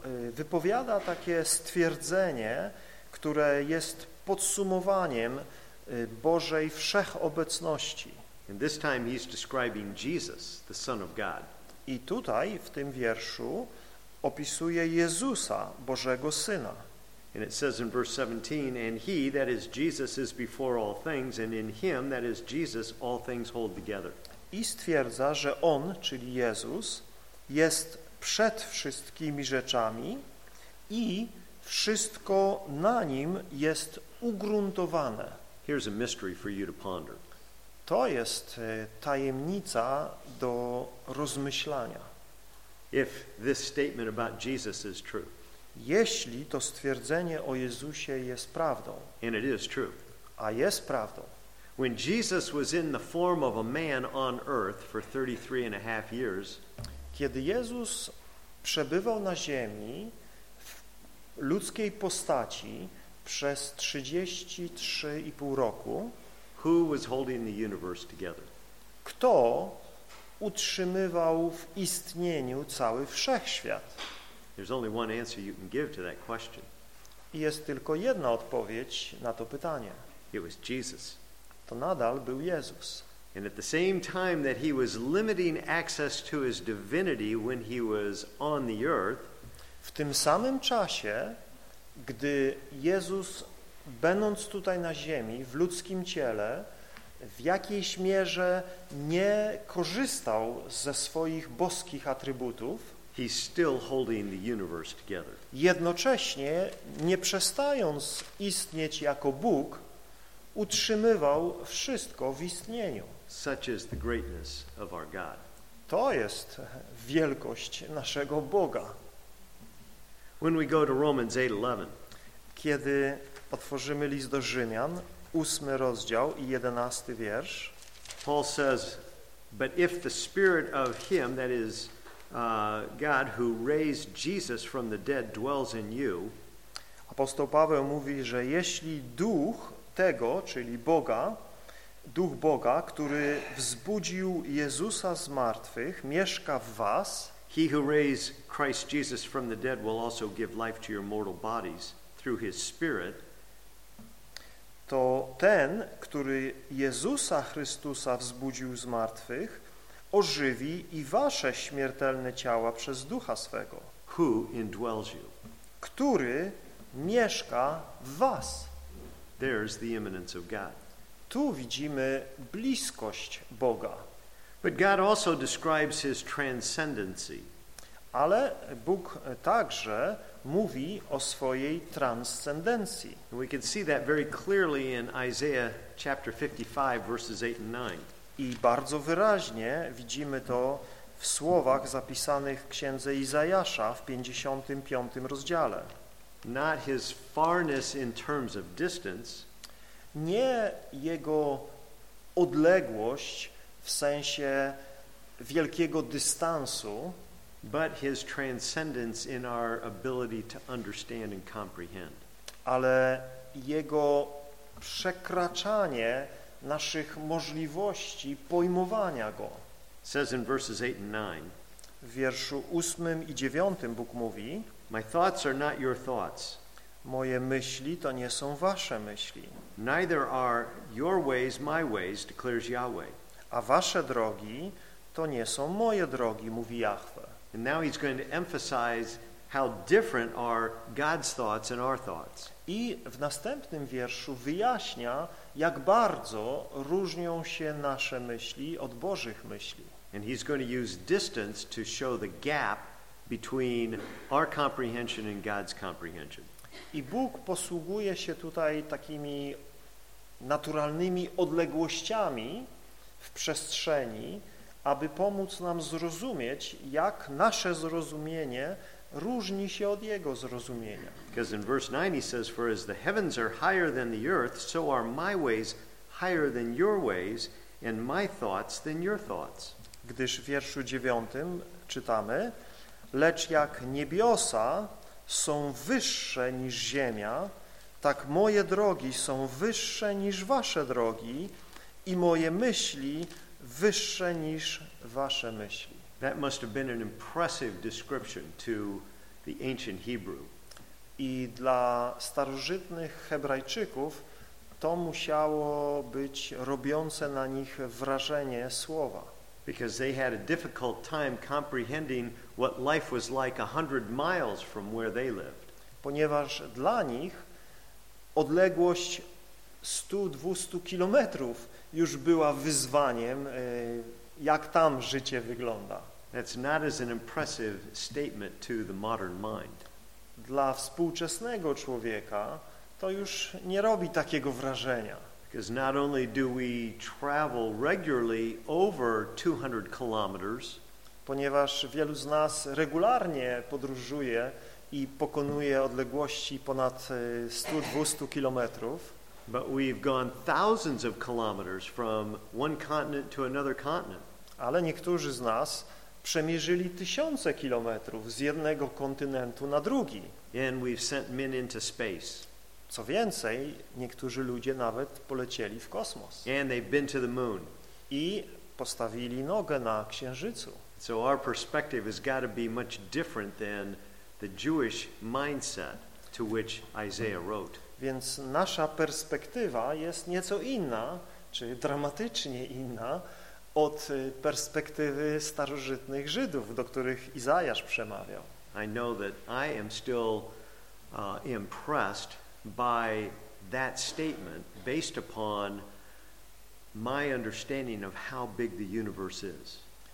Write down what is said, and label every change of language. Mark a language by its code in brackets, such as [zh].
[pl] Wypowiada takie stwierdzenie, które jest podsumowaniem Bożej wszechobecności. [en] And this time he's describing Jesus, the Son of God. [pl] I tutaj w tym wierszu opisuje Jezusa, Bożego Syna. [en] And it says in verse 17, and he, that is Jesus, is before all things, and in him, that is Jesus, all things hold together. [pl] I stwierdza, że on, czyli Jezus, jest przed wszystkimi rzeczami i wszystko na nim jest ugruntowane. [en] Here's a mystery for you to ponder. [pl] To jest tajemnica do rozmyślania. [en] If this statement about Jesus is true. [pl] Jeśli to stwierdzenie o Jezusie jest prawdą. [en] And it is true. [pl] A jest prawdą. [en] When Jesus was in the form of a man on earth for 33 and a half years, [pl] kiedy Jezus przebywał na ziemi w ludzkiej postaci przez 33,5 roku, [en] who was holding the universe together? [pl] Kto utrzymywał w istnieniu cały wszechświat? [en] There's only one answer you can give to that question. [pl] Jest tylko jedna odpowiedź na to pytanie. [en] It was Jesus. [pl] To nadal był Jezus. [en] And at the same time that he was limiting access to his divinity when he was on the earth, [pl] w tym samym czasie, gdy Jezus, będąc tutaj na ziemi, w ludzkim ciele, w jakiejś mierze nie korzystał ze swoich boskich atrybutów, [en] He's still holding the universe together. [pl] Jednocześnie, nie przestając istnieć jako Bóg, utrzymywał wszystko w istnieniu. [en] Such is the greatness of our God. [pl] To jest wielkość naszego Boga. [en] When we go to Romans 8:11, [pl] kiedy otworzymy list do Rzymian, 8 rozdział i 11 wiersz, [en] Paul says, but if the spirit of him, that is God who raised Jesus from the dead, dwells in you. [pl] Apostoł Paweł mówi, że jeśli duch tego, czyli Boga, duch Boga, który wzbudził Jezusa z martwych, mieszka w was, [en] he who raised Christ Jesus from the dead will also give life to your mortal bodies through his spirit. [pl] To ten, który Jezusa Chrystusa wzbudził z martwych, ożywi i wasze śmiertelne ciała przez ducha swego, [en] who indwells you, [pl] który mieszka w was. [en] There's the imminence of God. [pl] Tu widzimy bliskość Boga. [en] But God also describes his transcendency. [pl] Ale Bóg także mówi o swojej transcendencji. [en] We can see that very clearly in Isaiah chapter 55 verses 8 and 9. [pl] I bardzo wyraźnie widzimy to w słowach zapisanych w księdze Izajasza w 55 rozdziale. [en] Not his farness in terms of distance, [pl] nie jego odległość w sensie wielkiego dystansu, [en] but his transcendence in our ability to understand and comprehend, [pl] ale jego przekraczanie naszych możliwości pojmowania go. [en] Says in verses 8 and 9, [pl] w wierszu 8 i 9 Bóg mówi: [en] My thoughts are not your thoughts. [pl] Moje myśli to nie są wasze myśli. [en] Neither are your ways my ways, declares Yahweh. [pl] A wasze drogi to nie są moje drogi, mówi Jahwe. [en] And now he's going to emphasize how different are God's thoughts and our thoughts. [pl] I w następnym wierszu wyjaśnia, jak bardzo różnią się nasze myśli od Bożych myśli. [en] And he's going to use distance to show the gap between our comprehension and God's comprehension. [pl] I Bóg posługuje się tutaj takimi naturalnymi odległościami w przestrzeni, aby pomóc nam zrozumieć, jak nasze zrozumienie różni się od jego zrozumienia. [en] Because in verse 9 he says, for as the heavens are higher than the earth, so are my ways higher than your ways, and my thoughts than your thoughts. [pl] Gdyż w wierszu 9 czytamy: lecz jak niebiosa są wyższe niż ziemia, tak moje drogi są wyższe niż wasze drogi i moje myśli wyższe niż wasze myśli. [en] That must have been an impressive description to the ancient Hebrew. [pl] I dla starożytnych Hebrajczyków to musiało być robiące na nich wrażenie słowa. [en] Because they had a difficult time comprehending what life was like 100 miles from where they lived. [pl] Ponieważ dla nich odległość 100-200 kilometrów już była wyzwaniem, jak tam życie wygląda. [en] That's not as an impressive statement to the modern mind. [pl] Dla współczesnego człowieka to już nie robi takiego wrażenia. [en] Because not only do we travel regularly over 200 kilometers, [pl] ponieważ wielu z nas regularnie podróżuje i pokonuje odległości ponad 100-200 kilometrów, [en] but we've gone thousands of kilometers from one continent to another continent. [pl] Ale niektórzy z nas przemierzyli tysiące kilometrów z jednego kontynentu na drugi. [en] And we've sent men into space. [pl] Co więcej, niektórzy ludzie nawet polecieli w kosmos. [en] And they've been to the moon. [pl] I postawili nogę na Księżycu. [en] So our perspective has got to be much different than the Jewish mindset to which Isaiah wrote. [pl] Więc nasza perspektywa jest nieco inna, czy dramatycznie inna, od perspektywy starożytnych Żydów, do których Izajasz przemawiał. [en] I know that I am still impressed by that statement based upon my understanding of how big the universe is.